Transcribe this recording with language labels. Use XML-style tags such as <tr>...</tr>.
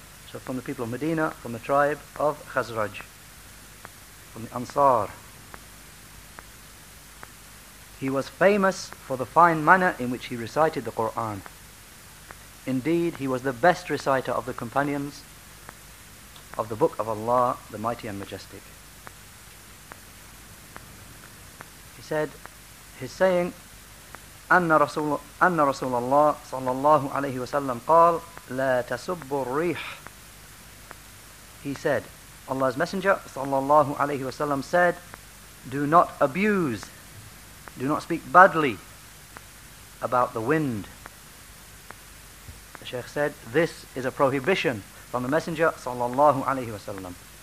<en>So from the people of Medina, from the tribe of Khazraj, from the Ansar. He was famous for the fine manner in which he recited the Qur'an. Indeed, he was the best reciter of the companions of the Book of Allah, the Mighty and Majestic. He said, his saying,</en> <ar>أَنَّ رَسُولَ اللَّهِ صَلَّى اللَّهُ عَلَيْهِ وَسَلَّمْ قَالْ لَا تَسُبُّ الرِّيحِ.</ar> <en>He said, Allah's Messenger, sallallahu alayhi wasallam, said, do not abuse, do not speak badly about the wind. The Shaykh said, this is a prohibition from the Messenger, sallallahu alayhi wasallam.</en>